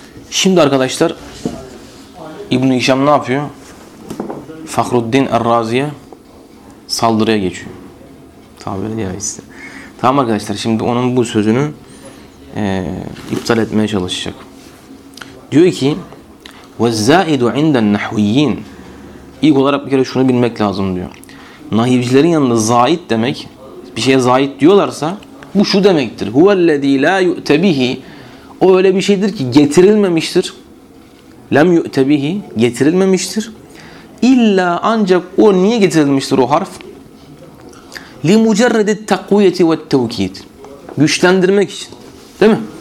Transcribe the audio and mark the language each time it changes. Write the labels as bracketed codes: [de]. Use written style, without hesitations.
[tr] Şimdi arkadaşlar İbn-i Hişam ne yapıyor? Fahruddin Errazi'ye saldırıya geçiyor. Tabiri caizse. Tamam arkadaşlar şimdi onun bu sözünü iptal etmeye çalışacak. Diyor ki [ar] وَالزَّائِدُ عِنْدَ النَّحْوِيِّينَ. [tr] İlk olarak bir kere şunu bilmek lazım diyor. Nahivcilerin yanında zayid demek, bir şeye zayid diyorlarsa bu şu demektir. [ar] هُوَ الَّذ۪ي لَا يُؤْتَ بِهِ. [tr] O öyle bir şeydir ki getirilmemiştir. [ar] Lem yu'te bihi, [tr] getirilmemiştir. İlla ancak o niye getirilmiştir o harf? [ar] Li mucerredi takviyeti ve tevkid. [tr] Güçlendirmek için. Değil mi?